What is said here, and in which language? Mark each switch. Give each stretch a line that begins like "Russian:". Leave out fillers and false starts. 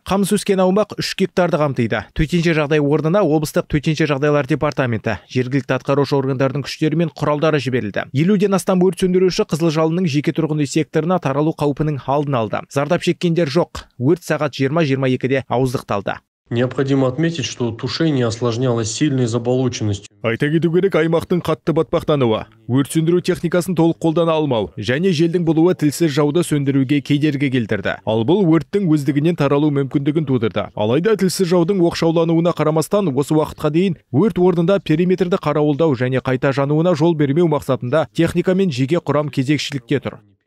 Kazakh: Қамыс өскен аумақ 3 гектарды қамтиды. Төтенше жағдай орнына облыстық төтенше жағдайлар департаменті, жергілікті атқарушы органдардың күштері мен құралдары жіберілді. 50-ден астам өрт сөндіруші Қызыл жалынның жеке тұрғын үй секторына таралу қаупінің алдын алды. Зардап шеккендер жоқ. Өрт сағат 20:22-де ауыздықталды.
Russian: Необходимо отметить, что тушение осложнялось сильной заболоченностью.
Kazakh: Айта кету керек, аймақтың қатты батпақтануы, өрт сөндіру техникасын толық қолдана алмау және желдің болуы тілсіз жауды сөндіруге кедергі келтірді. Ал бұл өрттің өздігінен таралу мүмкіндігін тудырды. Алайда тілсіз жаудың оқшаулануына қарамастан осы уақытқа дейін өрт орнында периметрді қарауылдау және қайта жануына жол бермеу мақсатында техника мен жеке құрам кезекшілікте тұр.